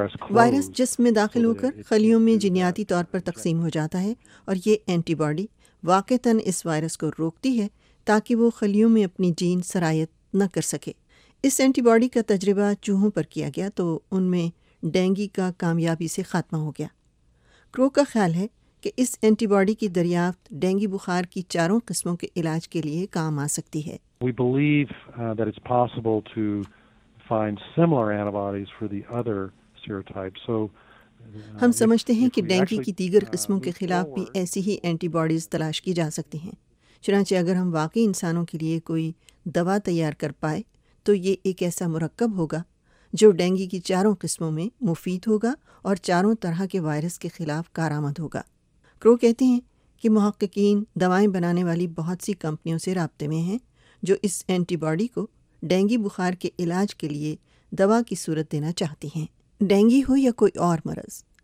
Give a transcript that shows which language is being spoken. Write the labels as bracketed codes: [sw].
[ur] Virus جسم میں داخل ہو کر خلیوں میں جینیاتی طور پر تقسیم ہو جاتا ہے، اور یہ اینٹی باڈی واقعتاً اس وائرس کو روکتی ہے تاکہ وہ خلیوں میں اپنی جین سرایت نہ کر سکے۔ اس اینٹی باڈی کا تجربہ چوہوں پر کیا گیا تو ان میں ڈینگی کا کامیابی سے خاتمہ ہو گیا۔ کرو کا خیال ہے کہ اس اینٹی باڈی کی دریافت ڈینگی بخار کی چاروں قسموں کے علاج کے لیے کام آ سکتی ہے۔ [en] We believe that it's possible to find similar antibodies for the other serotypes. So [ur] ہم سمجھتے ہیں کہ ڈینگی کی دیگر قسموں کے خلاف بھی ایسی ہی اینٹی باڈیز تلاش کی جا سکتی ہیں، چنانچہ اگر ہم واقعی انسانوں کے لیے کوئی دوا تیار کر پائے تو یہ ایک ایسا مرکب ہوگا جو ڈینگی کی چاروں قسموں میں مفید ہوگا اور چاروں طرح کے وائرس کے خلاف کارآمد ہوگا۔ کرو کہتے ہیں کہ محققین دوائیں بنانے والی بہت سی کمپنیوں سے رابطے میں ہیں جو اس اینٹی باڈی کو ڈینگی بخار کے علاج کے لیے دوا کی صورت دینا چاہتی ہیں۔ ڈینگی ہو یا کوئی اور مرض،